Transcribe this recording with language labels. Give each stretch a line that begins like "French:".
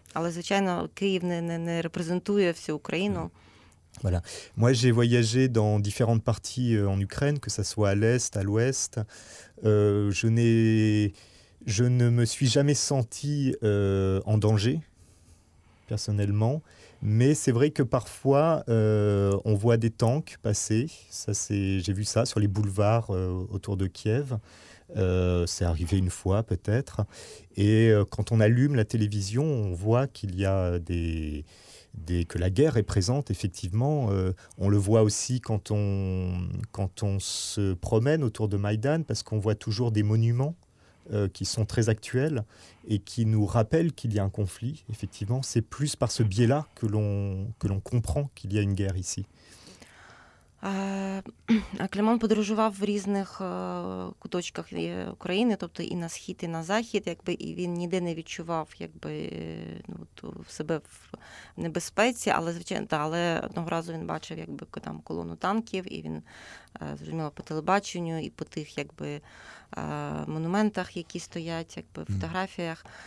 Ukrainian: Але звичайно, Київ не репрезентує всю Україну.
French: Voilà. Moi, j'ai voyagé dans différentes parties en Ukraine, que ça soit à l'est, à l'ouest. Je ne me suis jamais senti en danger, personnellement. Mais c'est vrai que parfois, on voit des tanks passer. Ça, j'ai vu ça sur les boulevards autour de Kiev. C'est arrivé une fois, peut-être. Et quand on allume la télévision, on voit qu'il y a que la guerre est présente, effectivement. On le voit aussi quand on se promène autour de Maïdan, parce qu'on voit toujours des monuments qui sont très actuels et qui nous rappellent qu'il y a un conflit. Effectivement, c'est plus par ce biais-là que l'on comprend qu'il y a une guerre ici.
Ukrainian: Клемент подорожував в різних куточках України, тобто і на схід, і на захід, якби, і він ніде не відчував якби, ну, себе в небезпеці, але звичайно, але одного разу він бачив якби, там, колону танків, і він зрозуміло по телебаченню, і по тих якби, монументах, які стоять, якби, фотографіях.